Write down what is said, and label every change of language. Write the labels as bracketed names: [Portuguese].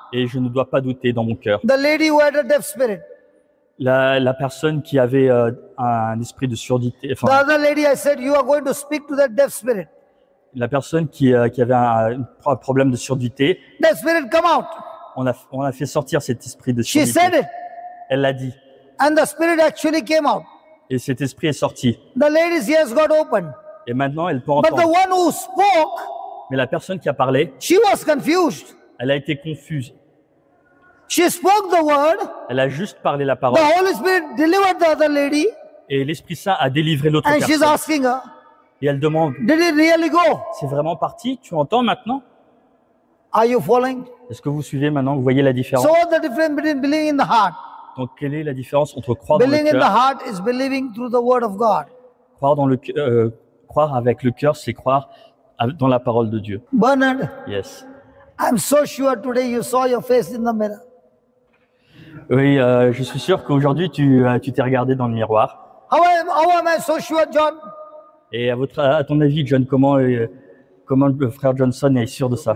[French] Et je ne dois pas douter dans mon cœur. [English] The lady who had a deaf spirit. [French] La personne qui avait un esprit de surdité. Enfin, [English] the other lady, I said, you are going to speak to that deaf spirit. [French] La personne qui avait un problème de surdité. [English] Deaf spirit, come out. [French] On a fait sortir cet esprit de [English] she [French] surdité. [English] She said it. [French] Elle l'a dit. [English] And the spirit actually came out. [French] Et cet esprit est sorti. [English] The lady's ears got open. [French] Et maintenant, elle peut entendre. [English] But the one who spoke. [French] Mais la personne qui a parlé. [English] She was confused. [French] Elle a été confuse. [English] She spoke the word. [French] Elle a juste parlé la parole. [English] The Holy Spirit delivered the other lady. [French] Et l'Esprit Saint a délivré l'autre [English] and [French] personne. [English] She's asking her, [French] et elle demande, [English] did it really go? [French] C'est vraiment parti? Tu entends maintenant? [English] Are you following? [French] Est-ce que vous suivez maintenant? Vous voyez la différence? [English] So what's the difference between believing in the heart? [French] Donc quelle est la différence entre croire [English] believing [French] dans le cœur? [English] Believing in the heart is believing through the word of God. [French] Croire dans le croire avec le cœur, c'est croire dans la parole de Dieu. [English] Bernard. Yes. I'm so sure today you saw your face in the mirror. [French] Oui, je suis sûr qu'aujourd'hui tu t'es regardé dans le miroir. [English] How am I so sure, John? [French] Et à ton avis, John, comment le frère Johnson est sûr de ça?